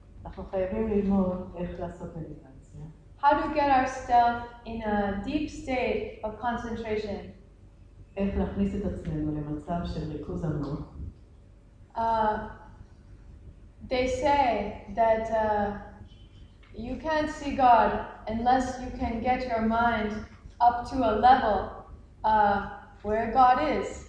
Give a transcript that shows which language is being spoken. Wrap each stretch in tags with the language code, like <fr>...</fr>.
<he>אנחנו חייבים ללמוד איך לעשות מדיטציה.</he> <en>How to get ourselves in a deep state of concentration.</en> <he>איך להכניס את עצמנו למצב של ריכוז עמוק.</he> <en>They say that you can't see God unless you can get your mind up to a level where God is.</en>